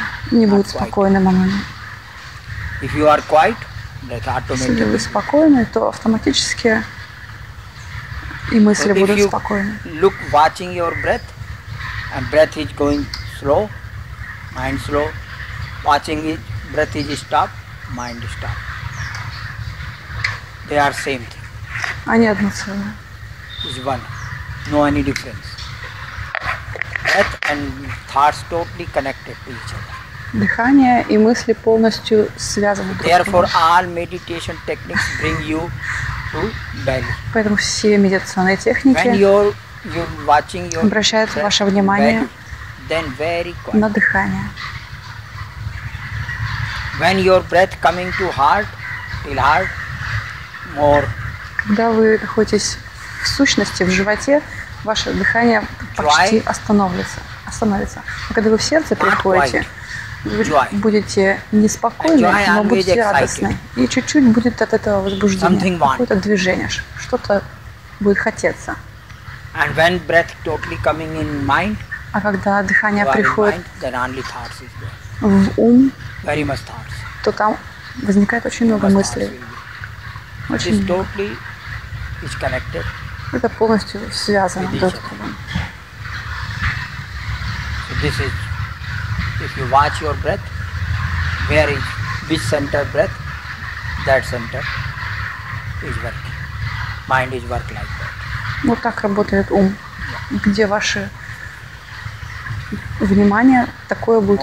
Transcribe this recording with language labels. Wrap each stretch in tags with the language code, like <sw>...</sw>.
<ru>Не будет спокойным моментом.</ru> <en>If you are quiet,</en> <ru>если вы спокойны, то автоматически и мысли будут спокойны.</ru> <en>Look watching your breath, and breath is going slow, mind slow. Watching it, breath is stop, mind stop. They are same thing.</en> <ru>Они одно целое.</ru> <en>It's one. No any difference. Breath and thoughts totally connected to each other.</en> <ru>Дыхание и мысли полностью связаны.</ru> <en>Therefore, all meditation techniques bring you to belly.</en> <ru>Поэтому все медитационные техники обращают ваше внимание на дыхание.</ru> <en>When your breath coming to heart, till heart, more.</en> <ru>Когда вы находитесь в сущности, в животе, ваше дыхание почти остановится. А когда вы в сердце приходите, вы будете неспокойны, но будете радостны. И чуть-чуть будет от этого возбуждения, какое-то движение, что-то будет хотеться.</ru> <en>And when breath totally coming in mind,</en> <ru>а когда дыхание приходит</ru> <en>mind,</en> <ru>в ум,</ru> <en>very much thoughts,</en> <ru>то там возникает очень много мыслей. Очень много.</ru> <en>Totally is connected.</en> <ru>Это полностью связано с другом.</ru> <en>So this is, if you watch your breath, where is which center breath, that center is working. Mind is work like that.</en> <ru>Вот так работает ум.</ru> <en>Yeah.</en> <ru>Где ваше внимание, такое будет</ru>